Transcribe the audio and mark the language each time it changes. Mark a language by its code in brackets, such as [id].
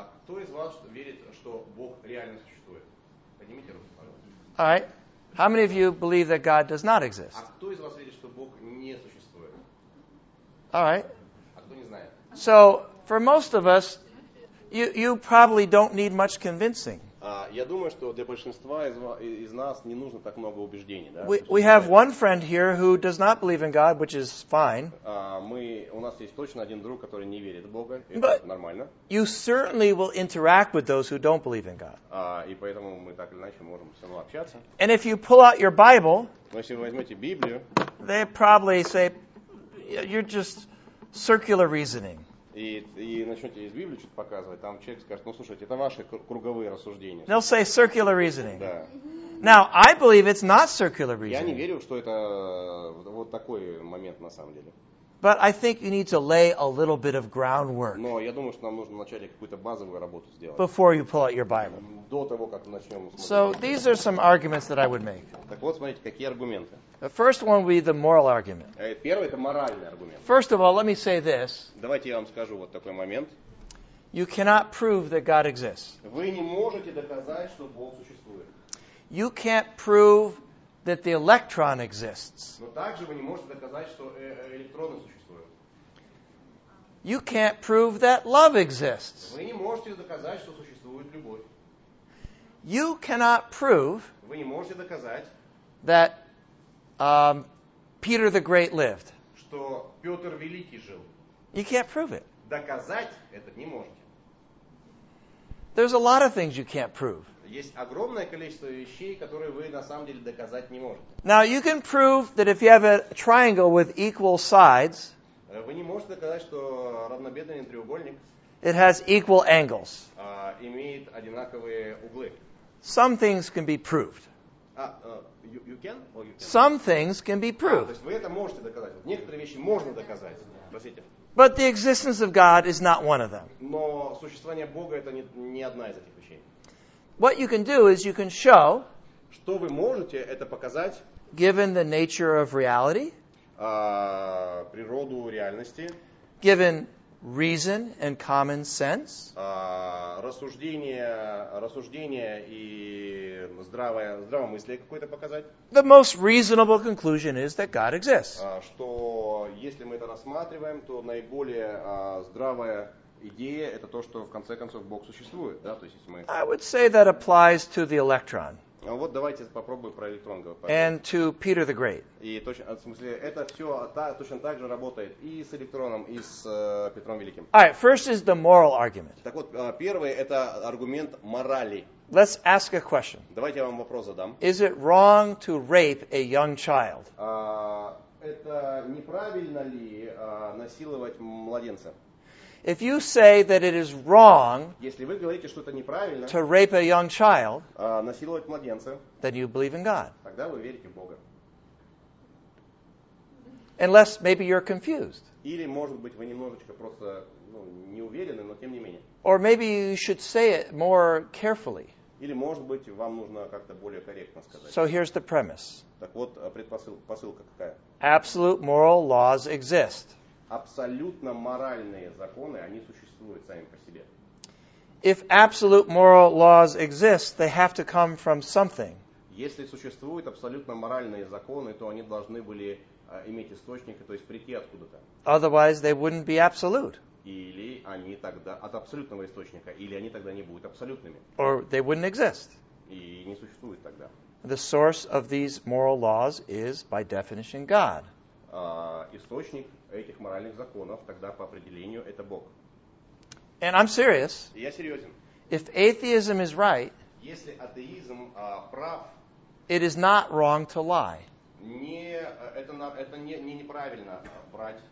[ru] Кто из вас верит, что Бог реально существует? Поднимите руку, пожалуйста. [en] All right. How many of you believe that God does not exist? [ru] А кто из вас верит, что Бог не существует? [en] All right. [ru] А кто не знает? [en] So, for most of us, you probably don't need much convincing. [ru] Я думаю, что для большинства из нас не нужно так много убеждений, да? [en] We have one friend here who does not believe in God, which is fine. [ru] У нас есть точно один друг, который не верит в Бога, и это нормально. [en] You certainly will interact with those who don't believe in God. [ru] И поэтому мы так или иначе можем все равно общаться. [en] And if you pull out your Bible, [ru] если вы возьмете Библию, [en] they probably say you're just circular reasoning. [ru] И начнете из Библии что-то показывать, там человек скажет, ну, слушайте, это ваши круговые рассуждения. [en] They'll say circular reasoning. [ru] Да. [en] Now, I believe it's not circular reasoning. [ru] Я не верю, что это вот такой момент на самом деле. [en] But I think you need to lay a little bit of groundwork. [ru] Но я думаю, что нам нужно вначале какую-то базовую работу сделать. [en] Before you pull out your Bible. [ru] До того, как начнем. [en] So, these are some arguments that I would make. [ru] Так вот, смотрите, какие аргументы. [en] The first one would be the moral argument. [ru] Первый – это моральный аргумент. [en] First of all, let me say this. [ru] Давайте я вам скажу вот такой момент. [en] You cannot prove that God exists. [ru] Вы не можете доказать, что Бог существует. [en] You can't prove that the electron exists. [ru] Но также вы не можете доказать, что электроны существуют. [en] You can't prove that love exists. [ru] Вы не можете доказать, что существует любовь. [en] You cannot prove [ru] вы не можете доказать [en] that Peter the Great lived. [ru] Что Петр Великий жил. [en] You can't prove it. [ru] Доказать это не можете. [en] There's a lot of things you can't prove. [ru] Есть огромное количество вещей, которые вы на самом деле доказать не можете. [en] Now you can prove that if you have a triangle with equal sides, [ru] вы не можете доказать, что равнобедренный треугольник, [en] it has equal angles, [ru] имеет одинаковые углы. [en] Some things can be proved. You can or you can't? Some things can be proved. [ru] То есть вы это можете доказать. Вот некоторые вещи можно доказать. Простите. [en] But the existence of God is not one of them. [ru] Но существование Бога это не одна из этих вещей. [en] What you can do is you can show, [ru] что вы можете это показать, [en] given the nature of reality, [ru] природу реальности. [en] Given reason and common sense. [ru] Рассуждение и здравомыслие какое-то показать. [en] The most reasonable conclusion is that God exists. [ru] Что если мы это рассматриваем, то наиболее здравая идея это то, что в конце концов Бог существует, да? То есть если мы. [en] I would say that applies to the electron. [ru] Вот давайте попробуем про электрон говорить. [en] And to Peter the Great. [ru] И точно, в смысле, это все точно так же работает и с электроном, и с Петром Великим. [en] All right, first is the moral argument. [ru] Так вот, первый это аргумент морали. [en] Let's ask a question. [ru] Давайте я вам вопрос задам. [en] Is it wrong to rape a young child? [ru] Это неправильно ли насиловать младенца? [en] If you say that it is wrong, [ru] если вы говорите, что это неправильно, [en] to rape a young child, [ru] насиловать младенца, [en] then you believe in God. [ru] Тогда вы верите в Бога. [en] Unless maybe you're confused. [ru] Или, может быть, вы немножечко просто, ну, не уверены, но тем не менее. [en] Or maybe you should say it more carefully. [ru] Или, может быть, вам нужно как-то более корректно сказать. [en] So here's the premise. [ru] Так вот, посылка какая? [en] Absolute moral laws exist. [ru] Абсолютно моральные законы, они существуют сами по себе. [en] If absolute moral laws exist, they have to come from something. [ru] Если существуют абсолютно моральные законы, то они должны были иметь источник, то есть прийти откуда-то. [en] Otherwise they wouldn't be absolute. [ru] Или они тогда от абсолютного источника, или они тогда не будут абсолютными. [en] Or they wouldn't exist. [ru] И не существуют тогда. [en] The source of these moral laws is, by definition, God. [ru] Источник этих моральных законов тогда по определению это Бог. [en] And I'm serious. [ru] Я серьезен. [en] If atheism is right, [ru] если атеизм прав, [en] it is not wrong to lie. [ru] Это не неправильно брать.